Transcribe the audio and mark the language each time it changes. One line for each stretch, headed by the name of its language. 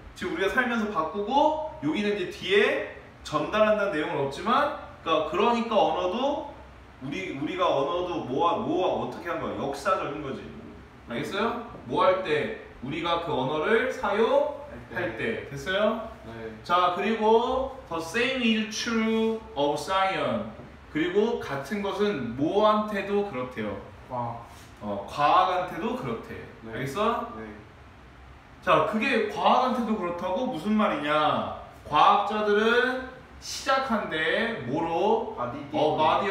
Korean: 지금 우리가 살면서 바꾸고 여기는 이제 뒤에 전달한다는 내용은 없지만, 그러니까 언어도 우리가 언어도 뭐 어떻게 한 거야? 역사적인 거지. 알겠어요? 뭐 할 때 우리가 그 언어를 사용할 때. 때 됐어요? 네. 자 그리고
English: the same is true of science.
Korean: 그리고 같은 것은 뭐한테도 그렇대요. 과학한테도 그렇대. 네. 알겠어? 네. 자 그게 과학한테도 그렇다고 무슨 말이냐? 과학자들은 시작한데 뭐로?
English: Body